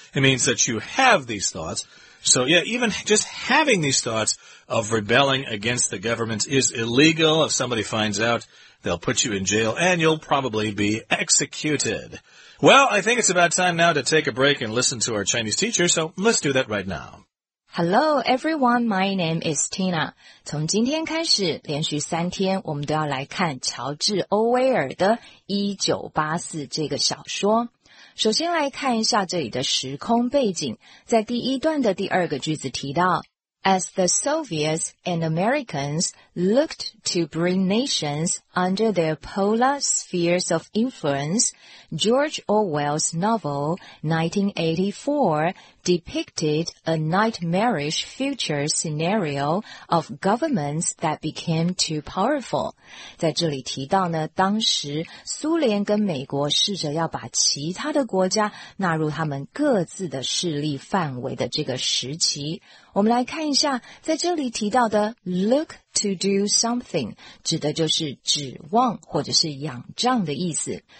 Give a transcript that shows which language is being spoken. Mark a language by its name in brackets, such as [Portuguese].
[English] It means that you have these thoughts. So, yeah, even just having these thoughts of rebelling against the government is illegal. If somebody finds out, they'll put you in jail, and you'll probably be executed. Well, I think it's about time now to take a break and listen to our Chinese teacher, so let's do that right now. Hello, everyone. My name is Tina. [Chinese] 从今天开始，连续三天，我们都要来看乔治·欧威尔的1984这个小说。首先来看一下这里的时空背景。 [English] 在第一段的第二个句子提到 ,As the Soviets and Americans looked to bring nations under their polar spheres of influence, George Orwell's novel 1984 depicted a nightmarish future scenario of governments that became too powerful. [Chinese] 在这里提到呢，当时苏联跟美国试着要把其他的国家纳入他们各自的势力范围的这个时期。我们来看一下在这里提到的 [English] look to do something, [Chinese] 指的就是指望或者是仰仗的意思。